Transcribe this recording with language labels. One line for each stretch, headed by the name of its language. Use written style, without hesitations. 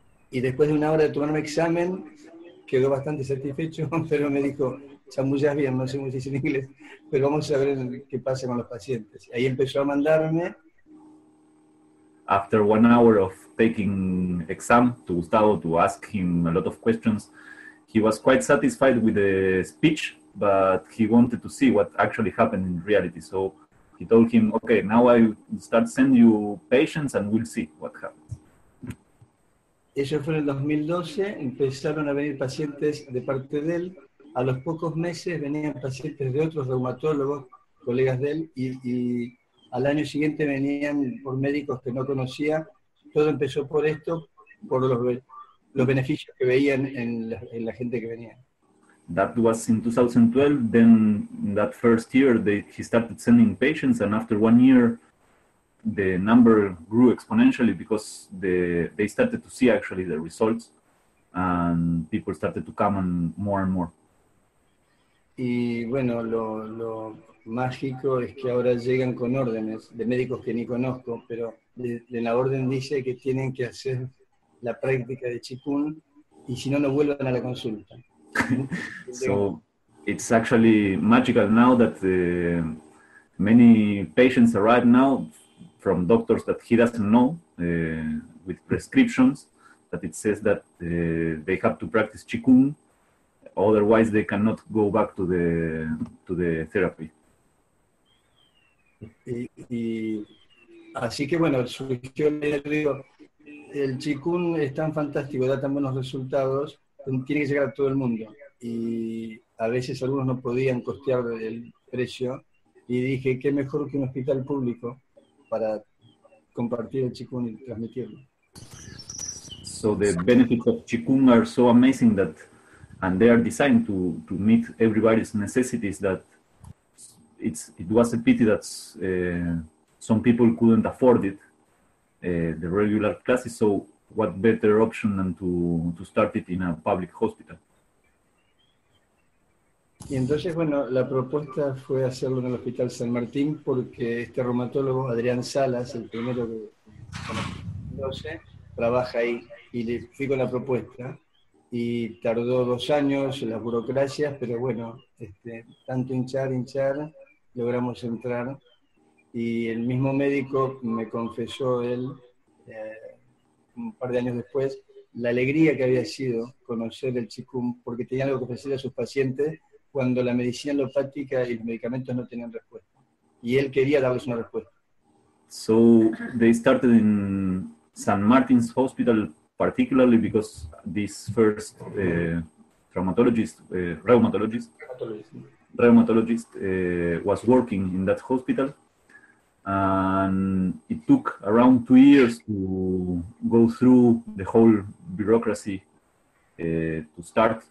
Spanish: Y después de una hora de tomarme examen, quedó bastante satisfecho, pero me dijo, chamullas bien, no sé mucho en inglés, pero vamos a ver qué pasa con los pacientes. Ahí empezó a mandarme.
English: After 1 hour of taking exam to Gustavo to ask him a lot of questions, he was quite satisfied with the speech, but he wanted to see what actually happened in reality. So he told him, okay, now I start sending you patients and we'll see what happens.
Spanish: Eso fue en el 2012, empezaron a venir pacientes de parte de él. A los pocos meses venían pacientes de otros reumatólogos, colegas de él, y al año siguiente venían por médicos que no conocía. Todo empezó por esto, por los beneficios que veían en la gente que venía.
English: That was in 2012. Then that first year, he started sending patients, and after 1 year, the number grew exponentially because they started to see actually the results, and people started to come on more and more.
Spanish: Y bueno, lo mágico es que ahora llegan con órdenes de médicos que ni conozco, pero de la orden dice que tienen que hacer la práctica de Qigong y si no, no vuelvan a la consulta.
English: So it's actually magical now that many patients arrive now from doctors that he doesn't know with prescriptions, that it says that they have to practice Qigong, otherwise they cannot go back to the therapy.
Spanish: Y así que bueno, surgió el Qigong, es tan fantástico, da tan buenos resultados, tiene que llegar a todo el mundo. Y a veces algunos no podían costear el precio. Y dije, qué mejor que un hospital público para compartir el Qigong y transmitirlo.
English: So the benefits of Qigong are so amazing that, and they are designed to meet everybody's necesities, that it was a pity that some people couldn't afford it, the regular classes. So what better option than to start it in a public hospital?
Spanish: Y entonces, bueno, la propuesta fue hacerlo en el Hospital San Martín porque este reumatólogo, Adrián Salas, el primero que conoce, trabaja ahí. Y le fui con la propuesta y tardó 2 años las burocracias, pero bueno, tanto hinchar, logramos entrar. Y el mismo médico me confesó él, un par de años después, la alegría que había sido conocer el Qigong, porque tenía algo que ofrecer a sus pacientes cuando la medicina alopática y los medicamentos no tenían respuesta. Y él quería darles una respuesta.
English: So they started in San Martín's Hospital, particularly because this first rheumatologist was working in that hospital, and it took around 2 years to go through the whole bureaucracy to start.